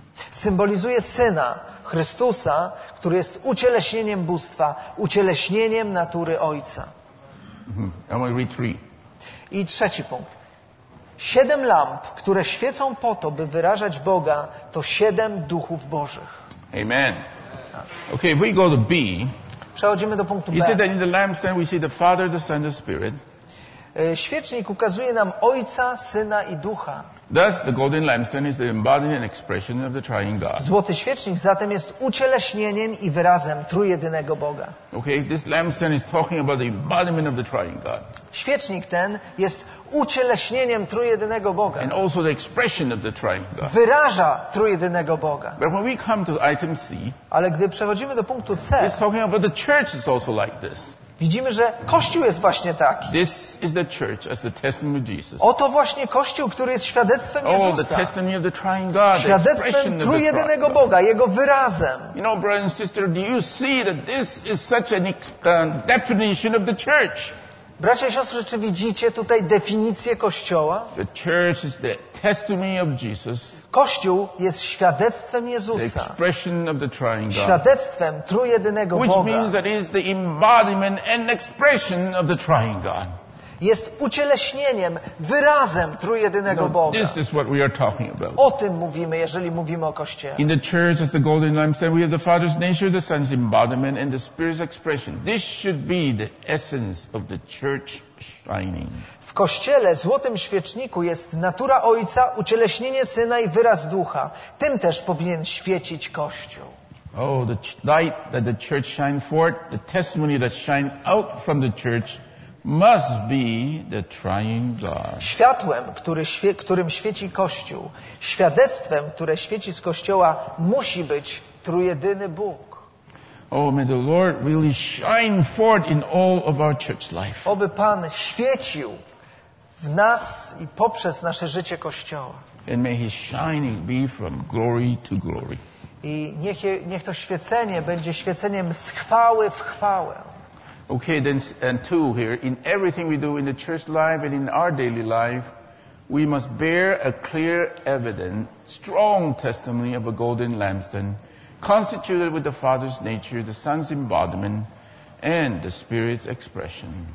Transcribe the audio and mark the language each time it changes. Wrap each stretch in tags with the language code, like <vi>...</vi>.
<pl>Symbolizuje Syna Chrystusa, który jest ucieleśnieniem bóstwa, ucieleśnieniem natury Ojca. I trzeci punkt. Siedem lamp, które świecą po to, by wyrażać Boga, to siedem duchów Bożych.</pl> <en>Amen. Okay, if we go to B.</en> <pl>Przechodzimy do punktu B.</pl> <en>You see that in the lampstand we see the Father, the Son, the Spirit.</en> <pl>Świecznik ukazuje nam Ojca, Syna i Ducha.</pl> <en>Thus, the golden lampstand is the embodiment and expression of the triune God.</en> <pl>Złoty świecznik zatem jest ucieleśnieniem i wyrazem trójjedynego Boga.</pl> <en>Okay, this lampstand is talking about the embodiment of the triune God.</en> <pl>Świecznik ten jest ucieleśnieniem trójjedynego Boga.</pl> <en>And also the expression of the triune God.</en> <pl>Wyraża trójjedynego Boga.</pl> <en>But when we come to item C,</en> <pl>ale gdy przechodzimy do punktu C,</pl> <en>it's talking about the church is also like this.</en> <pl>Widzimy, że Kościół jest właśnie taki.</pl> <en>This is the church as the testimony of Jesus.</en> <pl>Oto właśnie Kościół, który jest świadectwem Jezusa.</pl> <en>Oh, the testimony of the triune God,</en> <pl>świadectwem Trójjedynego Boga, Jego wyrazem.</pl> <en>You know, brother and sister, do you see that this is such an definition of the church?</en> <pl>Bracia i siostry, czy widzicie tutaj definicję Kościoła?</pl> <en>The church is the testimony of Jesus.</en> <pl>Kościół jest świadectwem Jezusa.</pl> <en>The expression of the triune God.</en> <pl>Świadectwem Trójjedynego</pl> <en>Which</en> <pl>Boga.</pl> <en>Which means that it is the embodiment and expression of the triune God.</en> <pl>Jest ucieleśnieniem, wyrazem Trójjedynego Boga.</pl> <en>This is what we are talking about.</en> <pl>O tym mówimy, jeżeli mówimy o Kościele.</pl> <en>In the church, as the golden lampstand, we have the Father's nature, the Son's embodiment, and the Spirit's expression. This should be the essence of the church shining.</en> <pl>W Kościele, złotym świeczniku, jest natura Ojca, ucieleśnienie Syna i wyraz Ducha. Tym też powinien świecić Kościół.</pl> <en>Oh, the light that the church shines forth, the testimony that shines out from the church, must be the triune God.</en> <pl>Światłem, którym świeci Kościół, świadectwem, które świeci z Kościoła, musi być Trójjedyny Bóg.</pl> <en>Oh, may the Lord really shine forth in all of our church life.</en> <pl>Oby Pan świecił w nas i poprzez nasze życie Kościoła.</pl> <en>And may His shining be from glory to glory.</en> <pl>I niech to świecenie będzie świeceniem z chwały w chwałę.</pl> <en>Okay, then, and two here. In everything we do in the church life and in our daily life, we must bear a clear evidence, strong testimony of a golden lampstand, constituted with the Father's nature, the Son's embodiment, and the Spirit's expression.</en>